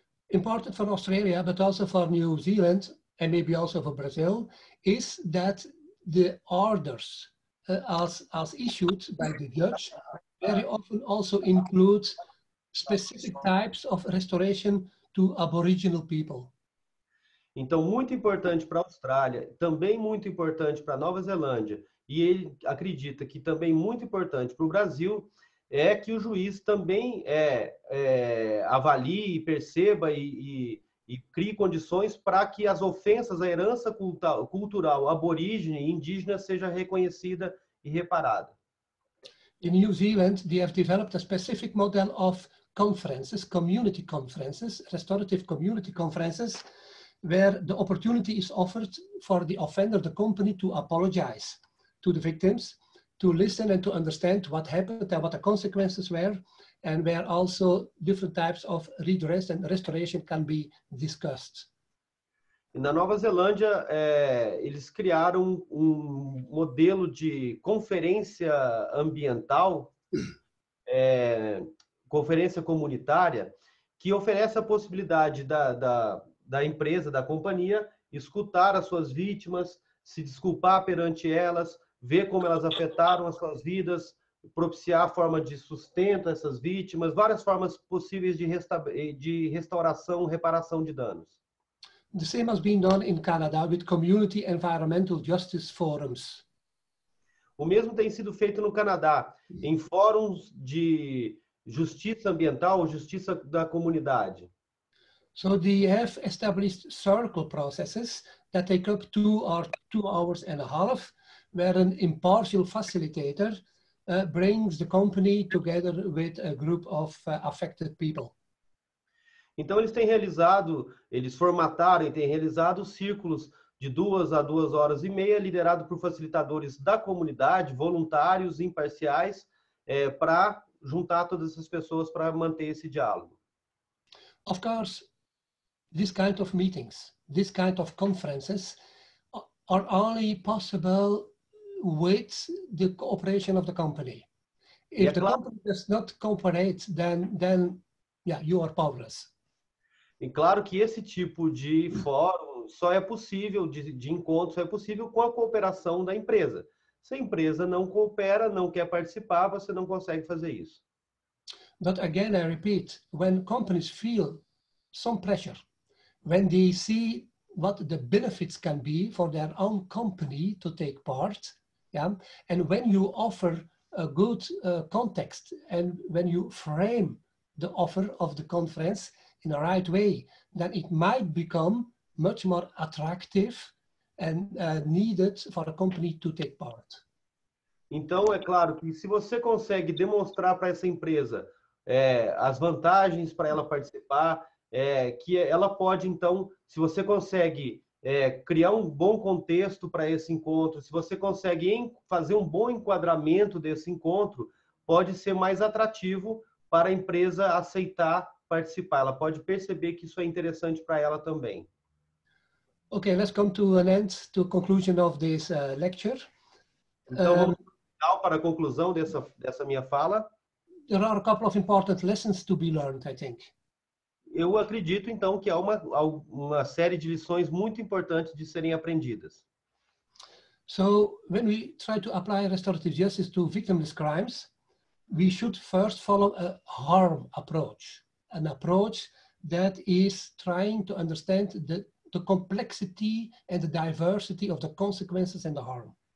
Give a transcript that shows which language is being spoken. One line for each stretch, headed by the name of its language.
English: Important for Australia, but also for New Zealand, and maybe also for Brazil, is that the orders as issued by the judge very often also include specific types of restoration to Aboriginal people.
Portuguese: Então, muito importante para a Austrália, também muito importante para a Nova Zelândia, e ele acredita que também muito importante para o Brasil, é que o juiz também avalie e perceba e crie condições para que as ofensas à herança cultural aborígene e indígena seja reconhecida e reparada.
English: In New Zealand, they have developed a specific model of conferences, community conferences, restorative community conferences, where the opportunity is offered for the offender, the company, to apologize to the victims, to listen and to understand what happened and what the consequences were, and where also different types of redress and restoration can be discussed.
Portuguese: Na Nova Zelândia, eles criaram um modelo de conferência ambiental, conferência comunitária, que oferece a possibilidade da empresa, da companhia, escutar as suas vítimas, se desculpar perante elas, ver como elas afetaram as suas vidas, propiciar a forma de sustento a essas vítimas, várias formas possíveis de restauração, reparação de danos.
English: The same has been done in Canada with community environmental justice forums.
Portuguese: O mesmo tem sido feito no Canadá, em fóruns de justiça ambiental ou justiça da comunidade.
English: So they have established circle processes that take up 2 or 2 hours and a half, where an impartial facilitator brings the company together with a group of affected people.
Portuguese: Então, eles têm realizado, eles formataram e têm realizado círculos de 2 a 2 horas e meia, liderado por facilitadores da comunidade, voluntários e imparciais, para juntar todas essas pessoas para manter esse diálogo.
English: Of course, this kind of meetings, this kind of conferences are only possible with the cooperation of the company. If the company does not cooperate, then yeah, you are powerless.
Portuguese: E claro que esse tipo de fórum só é possível, de encontro, só é possível com a cooperação da empresa. Se a empresa não coopera, não quer participar, você não consegue fazer isso.
English: But again, I repeat, when companies feel some pressure, when they see what the benefits can be for their own company to take part, yeah, and when you offer a good context and when you frame the offer of the conference in the right way, then it might become much more attractive and needed for a company to take part.
Portuguese: Então, é claro que se você consegue demonstrar para essa empresa as vantagens para ela participar, que ela pode, então, se você consegue criar um bom contexto para esse encontro, se você consegue fazer um bom enquadramento desse encontro, pode ser mais atrativo para a empresa aceitar participar. Ela pode perceber que isso é interessante para ela também.
English: Ok, let's come to an end, to conclusion of this lecture.
Portuguese: Então, vamos final para a conclusão dessa minha fala.
English: There are a couple of important lessons to be learned, I think.
Portuguese: Eu acredito, então, que há uma série de lições muito importantes de serem aprendidas.
English: So, when we try to apply restorative justice to victimless crimes, we should first follow a harm approach, an approach that is trying to understand the complexity and the diversity of the consequences and the harm.